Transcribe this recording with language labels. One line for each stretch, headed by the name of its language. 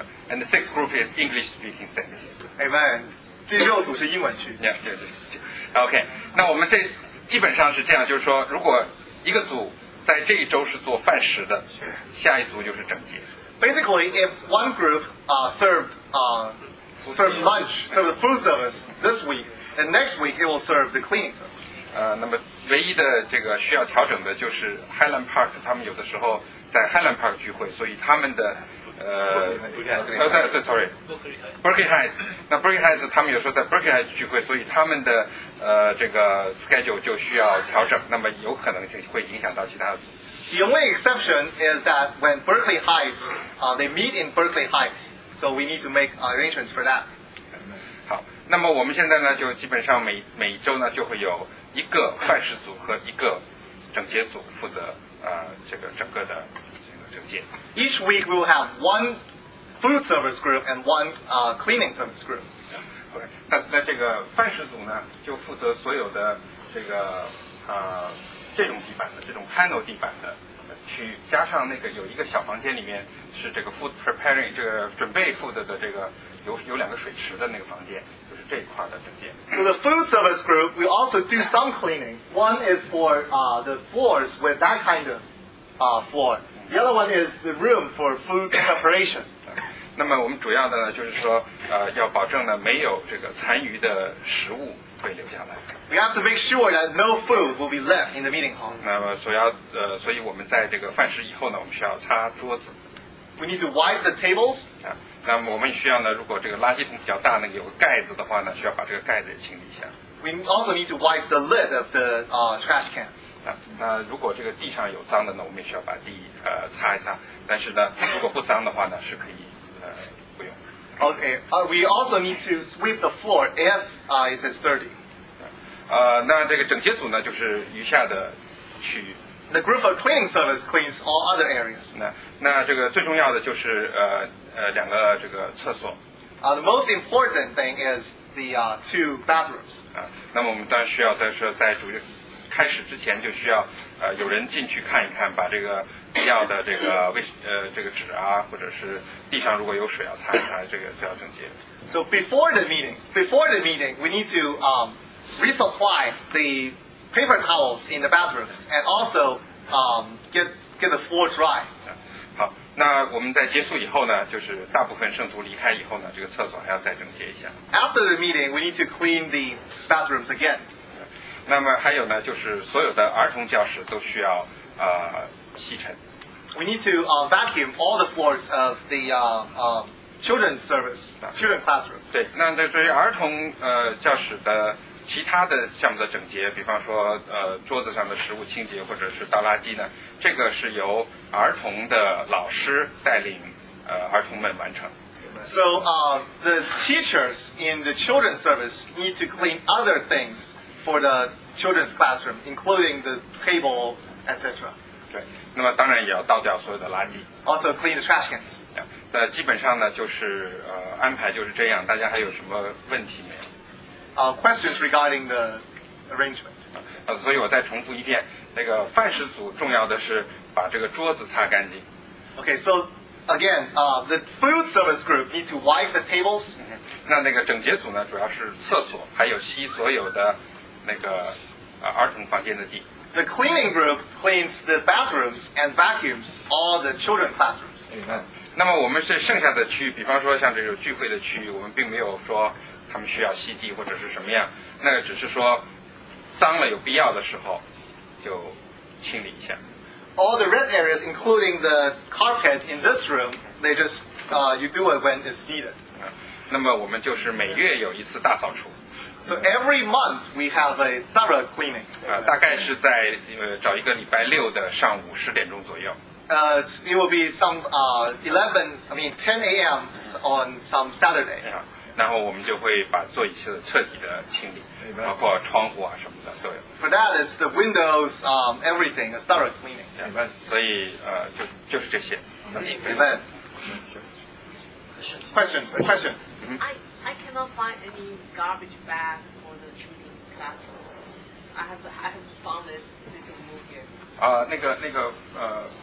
English: And the sixth group is English-speaking saints.
Chinese: Amen. 第六组是英文区。
English: Yeah,
Chinese: 对对。
English: OK,
Chinese: 那我们这基本上是这样，就是说，如果一个组在这一周是做饭食的，下一组就是整洁。
English: Basically, if one group served the food service this week, and next week it will serve the cleaning service.
Chinese: 那么唯一的这个需要调整的就是 Highland Park, 他们有的时候在 Highland Park 聚会，所以他们的Berkeley Heights. Berkeley Heights, 他们有时候在 Berkeley Heights 聚会，所以他们的这个 schedule 就需要调整，那么有可能性会影响到其他组。
English: The only exception is that when Berkeley Heights, they meet in Berkeley Heights, so we need to make arrangements for that.
Chinese: 好，那么我们现在呢，就基本上每周呢，就会有一个坏事组和一个整洁组负责这个整个的。
English: Each week we will have one food service group and one cleaning service group. Okay.
Chinese: 那这个饭食组呢，就负责所有的这个这种地板的这种 panel 地板的区域，加上那个有一个小房间里面是这个
English: food preparing
Chinese: 这个准备 food 的这个有两个水池的那个房间，就是这一块的整洁。
English: So the food service group we also do some cleaning. One is for the floors with that kind of floor. The other one is the room for food preparation.
Chinese: 那么我们主要的呢，就是说，要保证呢没有这个残余的食物会留下来。
English: We have to make sure that no food will be left in the meeting hall.
Chinese: 那么所以我们在这个饭食以后呢，我们需要擦桌子。
English: We need to wipe the tables.
Chinese: 那么我们需要呢，如果这个垃圾桶比较大，那个有个盖子的话呢，需要把这个盖子也清理一下。
English: We also need to wipe the lid of the trash can.
Chinese: 那如果这个地上有脏的呢，我们也需要把地擦一擦。但是呢，如果不脏的话呢，是可以不用。
English: Okay, we also need to sweep the floor if it is dirty.
Chinese: 那这个整洁组呢，就是余下的区域。
English: The group of cleaning service cleans all other areas.
Chinese: 那这个最重要的就是两个这个厕所。
English: The most important thing is the two bathrooms.
Chinese: 那么我们当然需要再说在主任。开始之前就需要有人进去看一看，把这个必要的这个这个纸啊，或者是地上如果有水要擦一擦，这个都要整洁。
English: So before the meeting, we need to resupply the paper towels in the bathrooms and also get the floor dry.
Chinese: 好，那我们在结束以后呢，就是大部分圣徒离开以后呢，这个厕所还要再整洁一下。
English: After the meeting, we need to clean the bathrooms again.
Chinese: 那么还有呢，就是所有的儿童教室都需要吸尘。
English: We need to vacuum all the floors of the children's service, children's classroom.
Chinese: 对，那对于儿童教室的其他的项目的整洁，比方说桌子上的食物清洁或者是倒垃圾呢，这个是由儿童的老师带领儿童们完成。
English: So the teachers in the children's service need to clean other things. For the children's classroom, including the table, etc.
Chinese: 对，那么当然也要倒掉所有的垃圾。
English: Also clean the trash cans.
Chinese: 那基本上呢，就是安排就是这样。大家还有什么问题没有？
English: Questions regarding the arrangement.
Chinese: 所以我再重复一遍，那个饭食组重要的是把这个桌子擦干净。
English: Okay, so again, the food service group need to wipe the tables.
Chinese: 那个整洁组呢，主要是厕所，还有吸所有的。那个儿童房间的地。
English: the cleaning group cleans the bathrooms and vacuums all the children's classrooms. Amen.
Chinese: 那么我们是剩下的区域，比方说像这种聚会的区域，我们并没有说他们需要吸地或者是什么样，那个只是说脏了有必要的时候就清理一下。
English: All the red areas, including the carpet in this room, they just you do it when it's needed.
Chinese: 那么我们就是每月有一次大扫除。
English: So every month we have a thorough cleaning.
Chinese: 大概是在找一个礼拜六的上午十点钟左右。
English: It will be some 10 a.m. on some Saturday.
Chinese: 然后我们就会把做一些彻底的清理，包括窗户啊什么的都有。
English: For that is the windows, everything, a thorough cleaning.
Chinese: 所以就是这些。
English: Amen. Question. I cannot find any garbage bag for the children's classrooms. I haven't found it since we moved here.